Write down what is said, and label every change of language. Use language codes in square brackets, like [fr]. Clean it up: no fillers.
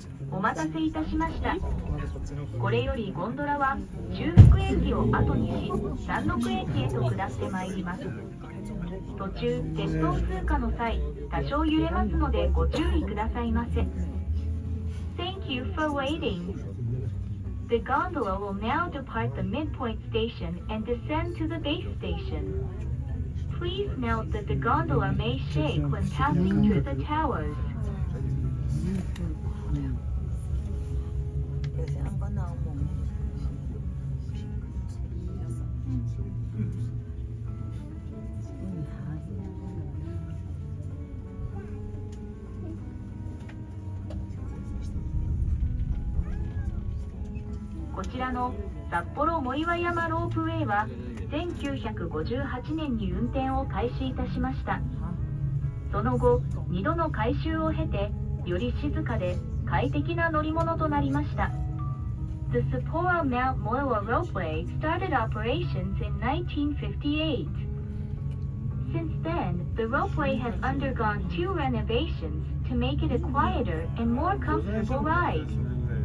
[ja] お待たせいたしました。これよりゴンドラは中福駅を後にし山麓駅へと下ってまいります。途中鉄道通過の際多少揺れますのでご注意くださいませ。 [en] Thank you for waitingThe gondola will now depart the midpoint station and descend to the base station. Please note that the gondola may shake when passing through the towers. [ja] こちらの札幌藻岩山ロープウェイは1958年に運転を開始いたしました。その後2度の改修を経てより静かで快適な乗り物となりました。 [en] The Sapporo Mount Moriwa Ropeway started operations in 1958. Since then, the ropeway has undergone two renovations to make it a quieter and more comfortable ride.